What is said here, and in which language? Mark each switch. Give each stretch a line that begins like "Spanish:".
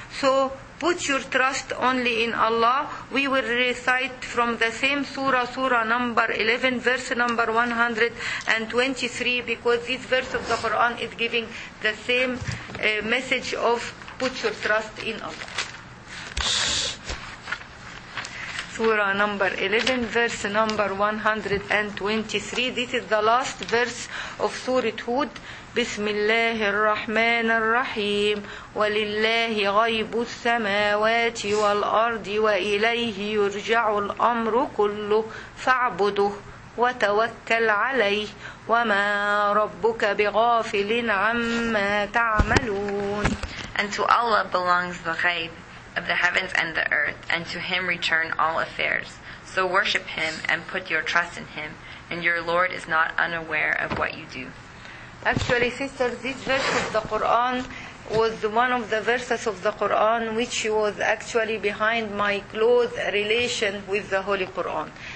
English: So put your trust only in Allah. We will recite from the same surah, surah number 11, verse number 123, because this verse of the Quran is giving the same message of put your trust in Allah. Surah number 11, verse number 123. This is the last verse of Surah Hud.
Arabic: بسم الله الرحمن الرحيم ولله غيب السماوات والأرض وإليه يرجع الأمر كله فاعبده وتوكل عليه وما ربك بغافل عما تعملون.
English: And to Allah belongs the ghayb of the heavens and the earth, and to him return all affairs. So worship him and put your trust in him, and your Lord is not unaware of what you do. Actually, sister, this verse of the Quran was one of the verses of the Quran which was actually behind my close relation with the Holy Quran.